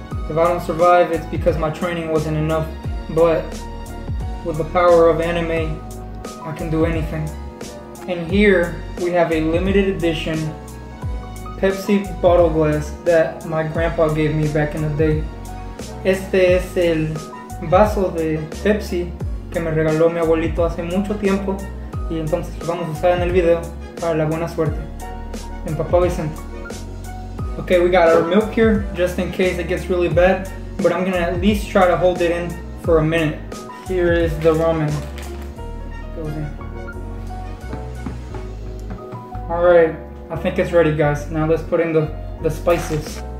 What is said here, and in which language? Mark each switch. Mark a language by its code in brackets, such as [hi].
[en] If I don't survive, it's because my training wasn't enough, but with the power of anime, I can do anything. And here, we have a limited edition Pepsi bottle glass that my grandpa gave me back in the day. [es] Este es el vaso de Pepsi que me regaló mi abuelito hace mucho tiempo y entonces lo vamos a usar en el video. Para la buena suerte. En Papá Vicente. [en] Okay, we got our milk here, just in case it gets really bad, but I'm gonna at least try to hold it in for a minute. Here is the ramen. Goes in. All right, I think it's ready, guys. Now let's put in the spices.